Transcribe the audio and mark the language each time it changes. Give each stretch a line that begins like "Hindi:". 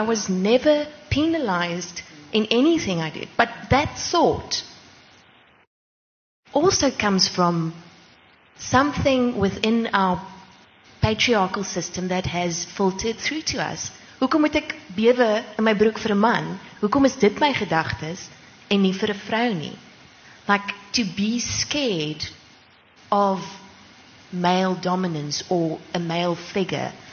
English: I was never penalized in anything I did. But that thought also comes from something within our patriarchal system that has filtered through to us.
Afrikaans: Hoekom moet ek bewe in my broek vir 'n man? Hoekom is dit my gedagtes en nie vir 'n vrou nie?
English: Like, to be scared of male dominance or a male figure.